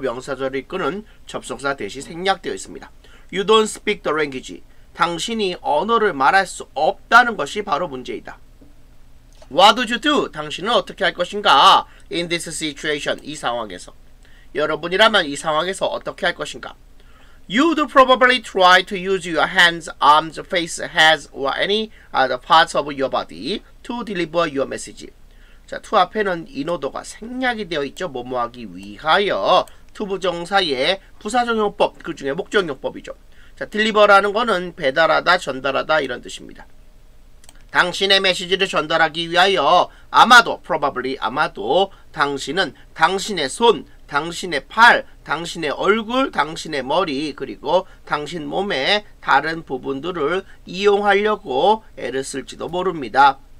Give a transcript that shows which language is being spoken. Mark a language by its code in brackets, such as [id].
[ko] 명사절의 끈은 접속사 대시 생략되어 있습니다. [en] You don't speak the language, [ko] 당신이 언어를 말할 수 없다는 것이 바로 문제이다. [en] What do you do? [ko] 당신은 어떻게 할 것인가? [en] In this situation, 이 상황에서. [ko] 여러분이라면 이 상황에서 어떻게 할 것인가? [en] You'd probably try to use your hands, arms, face, heads, or any other parts of your body to deliver your message. [ko] 자, to 앞에는 in order가 생략이 되어 있죠. 뭐뭐하기 위하여. to 부정사의 부사적용법, 그 중에 목적용법이죠. 자, deliver라는 거는 배달하다, 전달하다 이런 뜻입니다. 당신의 메시지를 전달하기 위하여 아마도, probably, 아마도 당신은 당신의 손, 당신의 팔, 당신의 얼굴, 당신의 머리, 그리고 당신 몸의 다른 부분들을 이용하려고 애를 쓸지도 모릅니다.